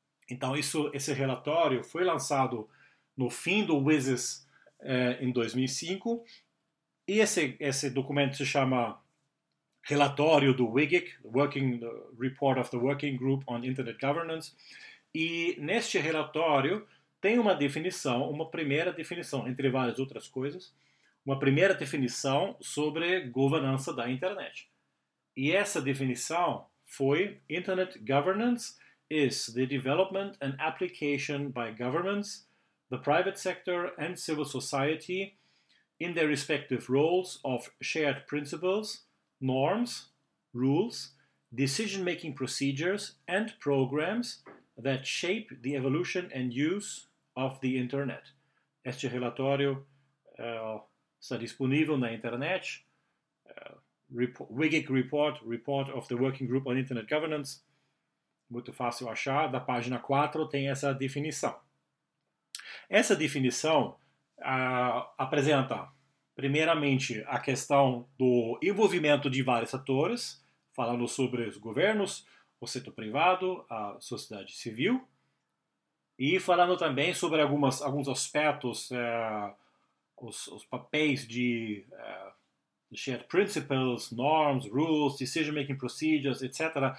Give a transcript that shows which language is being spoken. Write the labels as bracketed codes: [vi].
[pt] Então, esse relatório foi lançado no fim do WSIS, em 2005, e esse documento se chama Relatório do WGIG, Working Report of the Working Group on Internet Governance, e neste relatório tem uma definição, uma primeira definição, entre várias outras coisas, uma primeira definição sobre governança da internet. [en] E essa definição foi: Internet governance is the development and application by governments, the private sector and civil society in their respective roles of shared principles, norms, rules, decision-making procedures, and programs that shape the evolution and use of the Internet. [pt] Este relatório está disponível na internet. [en] WGIC Report, Report of the Working Group on Internet Governance. [pt] Muito fácil achar. Da página 4 tem essa definição. Essa definição apresenta, primeiramente, a questão do envolvimento de vários atores, falando sobre os governos, o setor privado, a sociedade civil, e falando também sobre alguns aspectos, os papéis de [en] shared principles, norms, rules, decision-making procedures, [pt] etc.